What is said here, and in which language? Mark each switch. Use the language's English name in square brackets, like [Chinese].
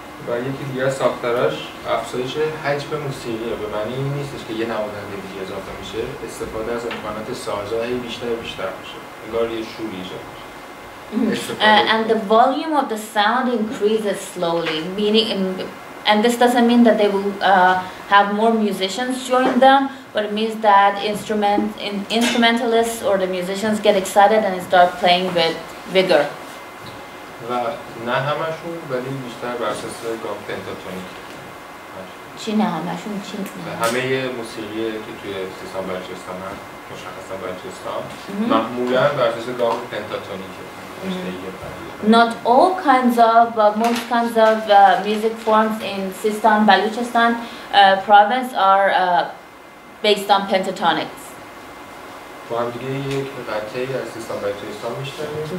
[Persian] و یکی دیگه ساختارش افزایش حجم موسیقیه به معنی این نیستش که یه نوازنده دیگه اضافه میشه استفاده از امکانات سازهای بیشتر میشه انگار یه شور ایجاد میشه [English] and the volume of the sound increases slowly meaning and this doesn't mean that they will have more musicians join them but it means that instrumentalists or the musicians get excited and start playing with vigor [Persian] و نه همشون ولی بیشتر بر اساس گام پنتاتونیک چی نه همشون چی نه همه موسیقی که توی سیستان بلوچستان هست مشخصا بلوچستان معمولا بر اساس گام پنتاتونیک [English] Not all kinds of, but most kinds of music forms in Sistan, Baluchistan province are based on pentatonics. [Persian] با هم دیگه یک قطعه از سیستان بلوچستان میشنیم.